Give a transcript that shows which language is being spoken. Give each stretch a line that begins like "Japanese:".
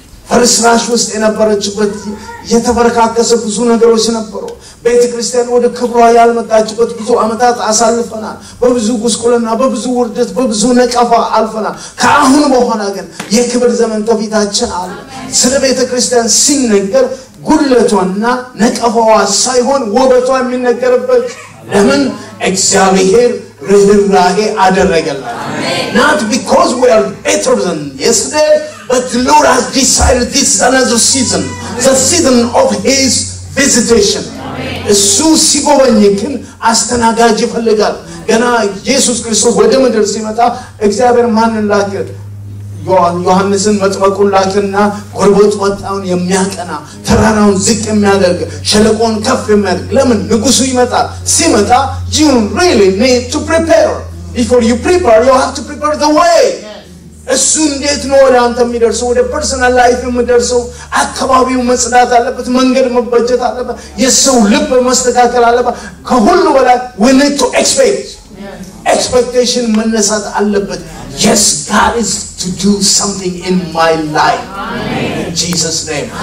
Amharic: ፍርስራሽ ውስጥ የነበረችበት የተፈረካከሰ ብዙ ነገሮች ነበሩ። ቤተክርስቲያን ወደ ክብሯ ያልመጣችበት ብዙ አመታት አሳልፈናል። በብዙ ጉስቁልና፣ በብዙ ውርደት፣ በብዙ ነቀፋ አልፈናል። ከአሁን በኋላ ግን የክብር ዘመን ከፊታችን አለ። ስለ ቤተክርስቲያን ሲነገር ጉልበቷና ነቀፋዋ ሳይሆን ውበቷ የሚነገርበት ለምን? እግዚአብሔር ርኅራኄ አደረገላት።
English: Not because we are better than yesterday, but the Lord has decided this is another season, the season of his visitation.
Amharic: እሱ ሲጎበኝ ግን አስተናጋጅ ይፈልጋል። ገና ኢየሱስ ክርስቶስ ወደ ምድር ሲመጣ እግዚአብሔር ማንን ላከ? ዮሐንስን መጥመቁን ላከና ጎርቦት ወጣውን የሚያቀና ተራራውን ዝቅ የሚያደርግ ሸለቆን ከፍ የሚያደርግ ለምን? ንጉሱ ይመጣል። ሲመጣ
English: you really need to prepare. Before you prepare, you have to prepare the way.
Amharic: እሱ እንዴት ነው ወደ አንተ የሚደርሰው? ወደ ፐርሰናል ላይፍ የሚደርሰው? አካባቢው መጽዳት አለበት፣ መንገድ መበጀት አለበት፣ የሰው ልብ መስተካከል አለበት። ከሁሉ በላይ
English: we need to expect. Expectation
Amharic: መነሳት አለበት።
English: Yes, God is to do something in my life. Amen. In Jesus' name.